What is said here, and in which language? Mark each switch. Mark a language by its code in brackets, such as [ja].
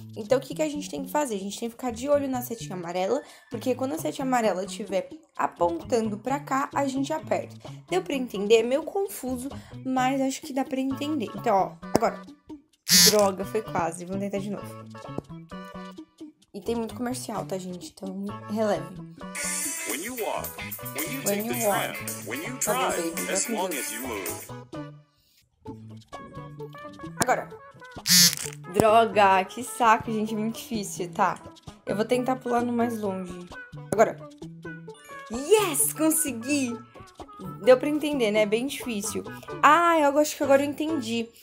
[pt] Então, o que a gente tem que fazer? A gente tem que ficar de olho na setinha amarela, porque quando a setinha amarela tiver apontando pra cá, a gente aperta. Deu pra entender? É meio confuso, mas acho que dá pra entender. Então, ó, agora. Droga, foi quase. Vamos tentar de novo. E tem muito comercial, tá, gente? Então, releve. [en] When you walk, when you take the tram, when you drive, as long as you move. [pt] Agora. Droga, que saco, gente. Muito difícil, tá? Eu vou tentar pular no mais longe. Agora. Yes! Consegui! Deu pra entender, né? É bem difícil. Ah, eu acho que agora eu entendi.